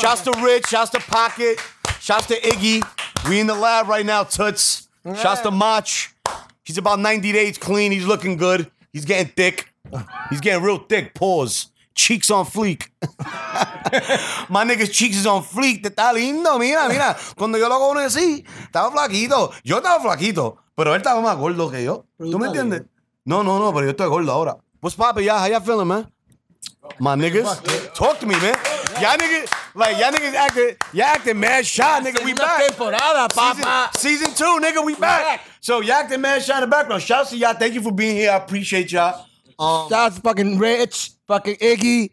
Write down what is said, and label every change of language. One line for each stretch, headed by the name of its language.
English: Shouts to Rich. Shouts to Pocket. Shouts to Iggy. We in the lab right now, Toots. Yeah. Shouts to Mach. He's about 90 days clean. He's looking good. He's getting thick. He's getting real thick. Pause. Cheeks on fleek. My nigga's cheeks is on fleek.
Spanish: Te está lindo, mira. Cuando yo lo conocí, estaba flaquito. Yo estaba flaquito, pero él estaba más gordo que yo. ¿Tú me entiendes? No, pero yo estoy gordo ahora.
English: What's poppin', y'all? How y'all feeling, man? My niggas, talk to me, man. Y'all niggas, like, y'all niggas acting mad shy, nigga. We back.
Spanish: Temporada, papa.
English: Season 2, nigga, we back. So, y'all acting mad shy in the background. Shouts to y'all. Thank you for being here. I appreciate y'all. Shouts to fucking Rich, fucking Iggy.